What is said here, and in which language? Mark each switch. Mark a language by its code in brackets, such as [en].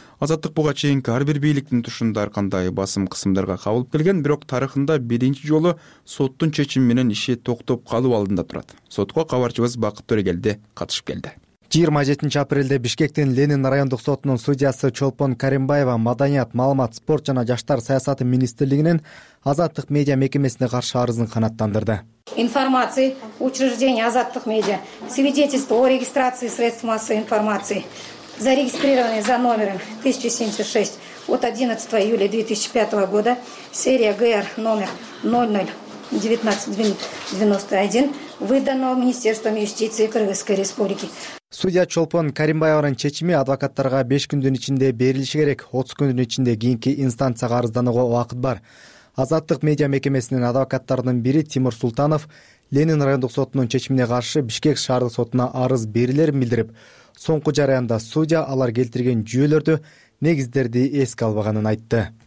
[ky] Азаттык буга чейинки ар бир бийликтин тушунда ар кандай басым кысымдарга кабылып келген, бирок тарыхында биринчи жолу соттун чечими менен иши токтоп калуу алдында турат. Сотко кабарчыбыз Бакыт Төрөгелди катышып келди. 27 апрелде Бишкектин Ленин райондук сотунун судьясы Чолпон Каримбаева маданият, маалымат, спорт жана жаштар саясаты министрлигинин Азаттык медиа мекемесине каршы арызын канааттандырды. [ru] Информации учреждения Азаттык медиа, свидетельство о регистрации средств массовой информации, зарегистрированный за номером 1076 от 11 июля 2005 года, серия ГР номер 00-19-91, выданного Министерством юстиции Кыргызской Республики. [ky] Судья Чолпон Каримбаеванын чечими адвокаттарга 5 күндүн ичинде берилиши керек. 30 күндүн ичинде кийинки инстанцияга арызданууга убакыт бар. Азаттык медиа мекемесинин адвокаттарынын бири Тимур Султанов Ленин райондук сотунун чечимине каршы Бишкек шаардык сотуна арыз берилерин билдирип, соңку жараянда судья алар келтирген жүйөлөрдү, негиздерди эске албаганын айтты.